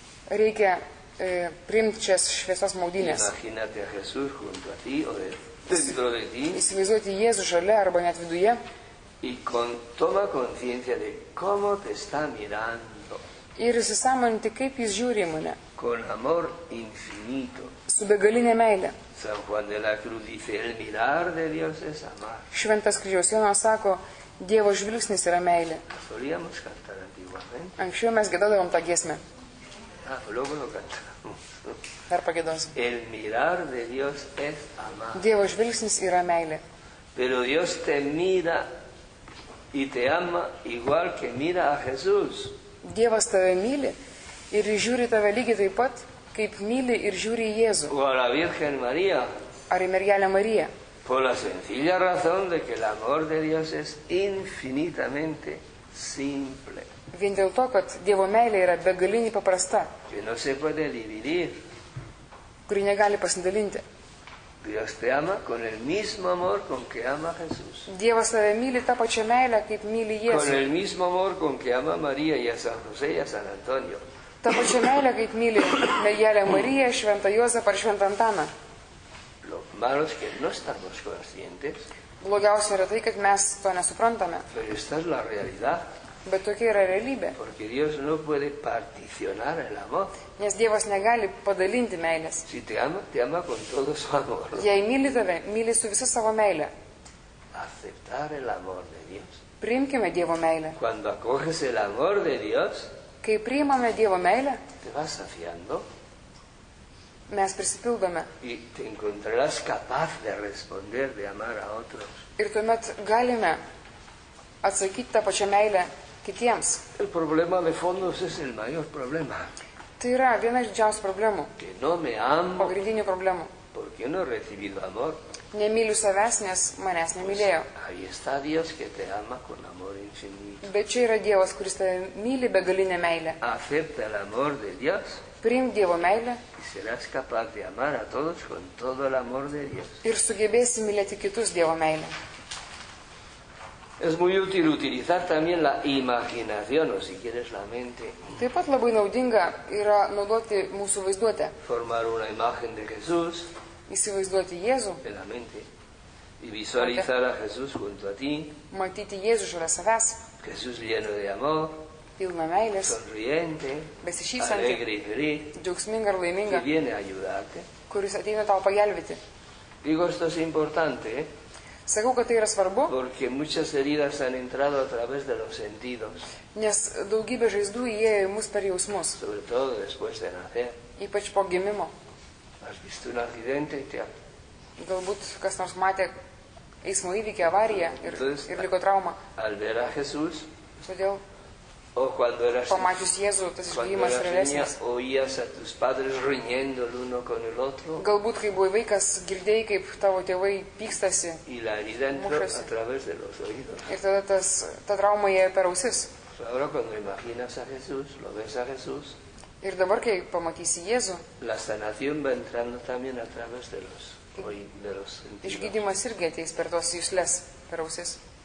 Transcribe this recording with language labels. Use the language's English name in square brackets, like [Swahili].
[Lithuanian] Reikia priimti šias šviesos maudynės. [Spanish] Imaginate Jesus junto a ti o dentro de ti. [Lithuanian] Įsivaizduoti Jėzų žalia arba net viduje. [Spanish] Y con toma conciencia de cómo te está mirando. [Lithuanian] Ir įsisąmoninti, kaip jis žiūri į mane. [Spanish] Con amor infinito. [Lithuanian] Su begalinė meilė. [Spanish] San Juan de la Cruz dice, el mirar de Dios es amar. [Lithuanian] Šventas kryžiaus Jonas sako, Dievo žvilgsnis yra meilė. [Spanish] Solíamos cantar antiguamente. [Lithuanian] Anksčiau mes gėdodavom tą giesmę. Dar pagėdosim. [Spanish] El mirar de Dios es amar. [Lithuanian] Dievo žvilgsnis yra meilė. [Spanish] Pero Dios te mira y te ama igual que mira a Jesús. [Lithuanian] Dievas tave myli ir žiūri tave lygiai taip pat, kaip myli ir žiūri į Jėzų. [Spanish] O la Virgen María. [Lithuanian] Ar į mergelę Mariją. [Spanish] Por la sencilla razón de que el amor de Dios es infinitamente simple. [Lithuanian] Vien dėl to, kad Dievo meilė yra begaliniai paprasta. [Spanish] Que no se puede dividir. [Lithuanian] Kuri negali pasidalinti. [Spanish] Dios te ama con el mismo amor con que ama a Jesús. [Lithuanian] Dievas tave myli tą pačią meilę, kaip myli Jėzų. [Spanish] Con el mismo amor con que ama María y a San José y a San Antonio. [Lithuanian] Tą pačią meilę, kaip myli mergelę Mariją, šventą Juozapą ir šventą Antaną. [Spanish] Lo malo es que no estamos conscientes. [Lithuanian] Blogiausia yra tai, kad mes to nesuprantame. [Spanish] Pero esta es la realidad. [Lithuanian] Bet tokia yra realybė. [Spanish] Porque Dios no puede particionar el amor. [Lithuanian] Nes Dievas negali padalinti meilės. [Spanish] Si te ama, te ama con todo su amor. [Lithuanian] Jei myli tave, myli su visa savo meilė. [Spanish] Aceptar el amor de Dios. [Lithuanian] Priimkime Dievo meilę. [Spanish] Cuando acoges el amor de Dios, [Lithuanian] kai priimame Dievo meilę, [Spanish] te vas afiando. [Lithuanian] Mes prisipildome. [Spanish] Y te encontrarás capaz de responder, de amar a otros. [Lithuanian] Ir tuomet galime atsakyti tą pačią meilę kitiems. [Spanish] El problema de fondos es el mayor problema. [Lithuanian] Tai yra viena iš didžiausių problemų. [Spanish] Que no me amo. [Lithuanian] Pagrindinių problemų. [Spanish] Porque no he recibido amor. [Lithuanian] Nemyliu savęs, nes manęs nemylėjo. [Spanish] Pues, ahí está Dios que te ama con amor infinito. [Lithuanian] Bet čia yra Dievas, kuris tave myli begalinę meilę. [Spanish] Acepta el amor de Dios. [Lithuanian] Priimk Dievo meilę. [Spanish] Y serás capaz de amar a todos con todo el amor de Dios. [Lithuanian] Ir sugebėsi mylėti kitus Dievo meilę. [Spanish] Es muy útil utilizar también la imaginación, o si quieres la mente. [Lithuanian] Taip pat labai naudinga yra naudoti mūsų vaizduotę. [Spanish] Formar una imagen de Jesús. [Lithuanian] Įsivaizduoti Jėzų. [Spanish] En la mente. Y visualizar a Jesús junto a ti. [Lithuanian] Matyti Jėzų šalia savęs. [Spanish] Jesús lleno de amor. [Lithuanian] Pilna meilės. [Spanish] Sonriente. [Lithuanian] Besišypsanti. [Spanish] Alegre y feliz. [Lithuanian] Džiaugsminga ir laiminga. [Spanish] Que viene a ayudarte. [Lithuanian] Kuris ateina tau pagelbėti. [Spanish] Digo, esto es importante, [Lithuanian] Sakau, kad tai yra svarbu. [Spanish] Porque muchas heridas han entrado a través de los sentidos. [Lithuanian] Nes daugybė žaizdų įėjo į mus per jausmus. [Spanish] Sobre todo después de nacer. [Lithuanian] Ypač po gimimo. [Spanish] Has visto un accidente y te ha... [Lithuanian] Galbūt kas nors matė eismo įvykį, avariją ir, [Spanish] entonces, [Lithuanian] ir liko traumą. [Spanish] Al ver a Jesús. [Lithuanian] Todėl. [Spanish] O cuando eras [Lithuanian] pamatius Jėzų, tas išgyjimas realesnis. [Spanish] O oías a tus padres riñendo el uno con el otro. [Lithuanian] Galbūt, kai buvai vaikas, girdėjai, kaip tavo tėvai pykstasi. [Spanish] Y la herida entró a través de los oídos. [Lithuanian] Ir tada tas, ta trauma jėjo per ausis. [Spanish] Ahora cuando imaginas a Jesús, lo ves a Jesús. [Lithuanian] Ir dabar, kai pamatysi Jėzų. [Spanish] La sanación va entrando también a través de los oídos. [Lithuanian] Išgydymas irgi ateis per tos jusles, per ausis.